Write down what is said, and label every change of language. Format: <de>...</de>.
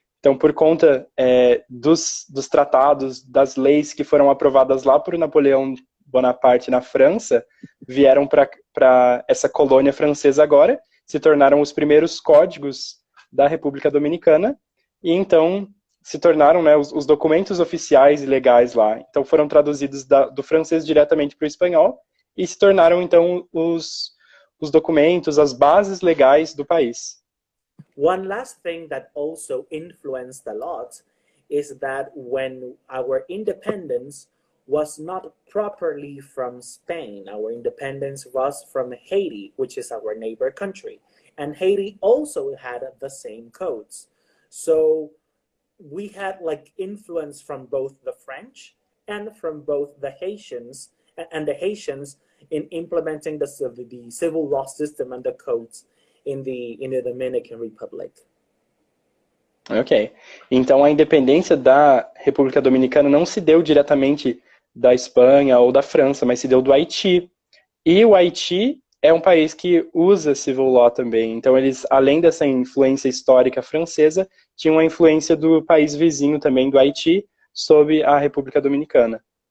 <pt>Então, por conta dos tratados, das leis que foram aprovadas lá por Napoleão Bonaparte na França, vieram para essa colônia francesa agora, se tornaram os primeiros códigos da República Dominicana, e então se tornaram, né, os documentos oficiais e legais lá. Então, foram traduzidos do francês diretamente para o espanhol, e se tornaram, então, os documentos, as bases legais do país.</pt> <en>One last thing that also influenced a lot is that when our independence was not properly from Spain, our independence was from Haiti, which is our neighbor country. And Haiti also had the same codes. So we had like influence from both the French and from both the Haitians, and the Haitians in implementing the civil law system and the codes in the Dominican Republic. Ok.</en> <pt>Então, a independência da República Dominicana não se deu diretamente da Espanha ou da França, mas se deu do Haiti. E o Haiti é um país que usa civil law também. Então, eles, além dessa influência histórica francesa, tinham a influência do país vizinho também, do Haiti, sob a República Dominicana.</pt>